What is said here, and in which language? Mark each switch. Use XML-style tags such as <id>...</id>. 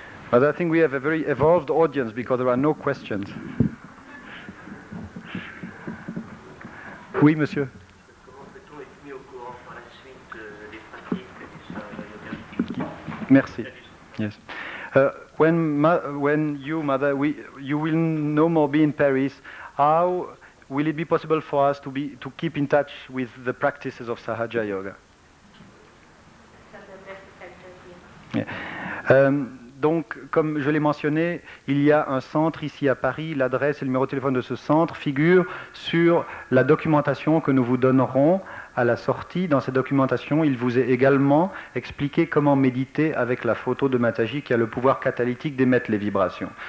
<en>But I think we have a very evolved audience because there are no questions.</en> <fr>Oui, monsieur. Comment peut-on être mis au courant par la suite des pratiques de yoga? Merci.</fr> <en>Yes. When you, mother, we will no more be in Paris, how will it be possible for us to keep in touch with the practices of Sahaja Yoga?</en> <fr>Donc, comme je l'ai mentionné, il y a un centre ici à Paris. L'adresse et le numéro de téléphone de ce centre figurent sur la documentation que nous vous donnerons à la sortie. Dans cette documentation, il vous est également expliqué comment méditer avec la photo de Mataji qui a le pouvoir catalytique d'émettre les vibrations.</fr>